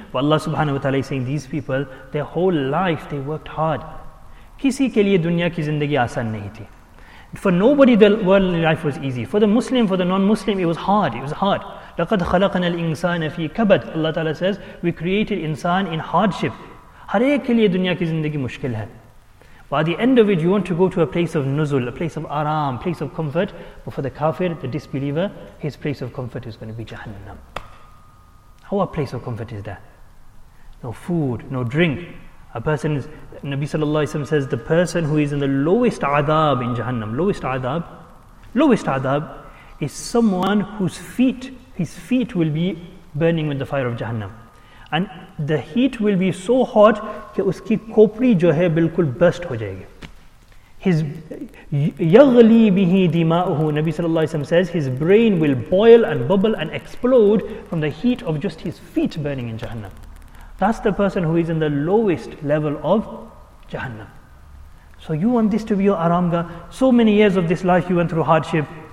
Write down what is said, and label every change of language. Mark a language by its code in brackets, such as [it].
[en] But Allah subhanahu wa ta'ala is saying, these people, their whole life, they worked hard. [ur] Kisi ke liye dunya ki zindagi aasan nahi thi. [en] For nobody, the worldly life was easy. For the Muslim, for the non-Muslim, it was hard. [ar] لَقَدْ خَلَقْنَا الْإِنسَانَ فِي كَبَدْ. [en] Allah Ta'ala says, we created insan in hardship. [ur] ہر ایک کے لئے دنیا کی زندگی مشکل ہے. [en] By the end of it, you want to go to a place of nuzul, a place of aram, place of comfort. But for the kafir, the disbeliever, his place of comfort is going to be Jahannam. How a place of comfort is that? No food, no drink. A person is, Nabi sallallahu alayhi wa sallam says, the person who is in the lowest adab in Jahannam, lowest adab is someone whose feet, his feet will be burning with the fire of Jahannam. And the heat will be so hot [ur] کہ اس کی کوپری جو ہے بالکل best ہو جائے گی. [en] His yaghli bihi dima'uhu, Nabi sallallahu alayhi wa sallam says, his brain will boil and bubble and explode from the heat of just his feet burning in Jahannam. That's the person who is in the lowest level of Jahannam. So you want this to be your aramga? So many years of this life you went through hardship.